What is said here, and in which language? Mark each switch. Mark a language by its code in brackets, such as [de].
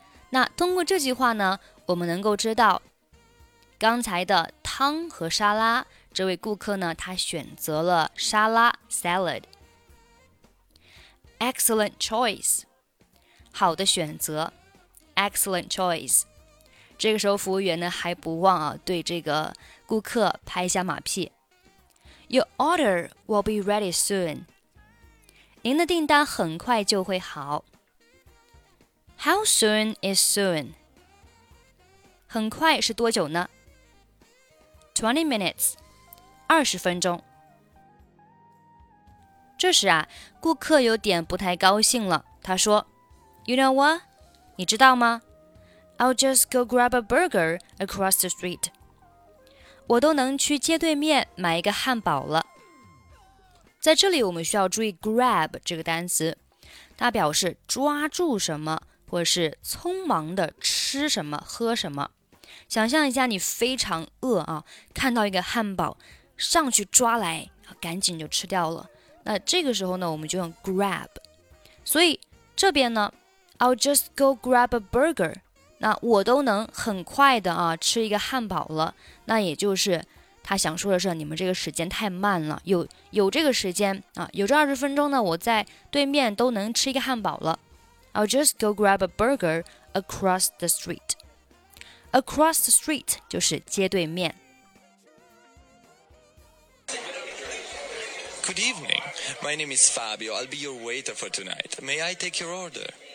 [zh] 那通过这句话呢，我们能够知道刚才的汤和沙拉，这位顾客呢，他选择了沙拉 salad。 [en] Excellent choice， [zh] 好的选择 [en] ，excellent choice。 [zh] 这个时候，服务员呢还不忘啊对这个顾客拍一下马屁。 [en] Your order will be ready soon。 [zh] 您的订单很快就会好。 [en] How soon is soon？ [zh] 很快是多久呢 ？ [en] 20 minutes， [zh] 二十分钟。这时啊，顾客有点不太高兴了，他说。 [en] You know what? [zh] 你知道吗? [en] I'll just go grab a burger across the street. [zh] 我都能去街对面买一个汉堡了。在这里我们需要注意 grab 这个单词，它表示抓住什么，或是匆忙的吃什么，喝什么。想象一下你非常饿啊，看到一个汉堡，上去抓来，赶紧就吃掉了。那这个时候呢，我们就用 grab。所以这边呢 [en] I'll just go grab a burger. [zh] 那我都能很快的啊吃一个汉堡了。那也就是他想说的是你们这个时间太慢了。有这个时间啊，有这二十分钟呢，我在对面都能吃一个汉堡了。 [en] I'll just go grab a burger across the street. Across the street [zh] 就是街对面。 [en] Good evening. My name is Fabio. I'll be your waiter for tonight. May I take your order?